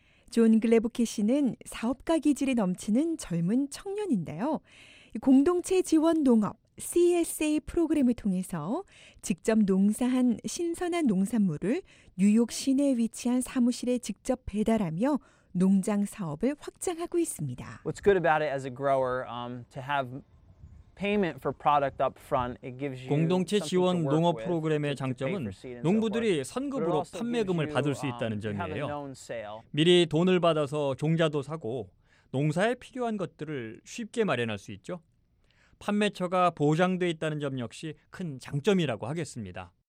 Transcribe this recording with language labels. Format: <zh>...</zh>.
<ko>존 글래보키 씨는 사업가 기질이 넘치는 젊은 청년인데요. 공동체 지원 농업 CSA 프로그램을 통해서 직접 농사한 신선한 농산물을 뉴욕 시내에 위치한 사무실에 직접 배달하며 농장 사업을 확장하고 있습니다.</ko> <en>What's good about it as a grower to have payment for product up front, it gives you</en> <ko>공동체 지원 농업 프로그램의 장점은 농부들이 선급으로 판매금을 받을 수 있다는 점이에요. 미리 돈을 받아서 종자도 사고 농사에 필요한 것들을 쉽게 마련할 수 있죠. 판매처가 보장돼 있다는 점 역시 큰 장점이라고 하겠습니다.</ko>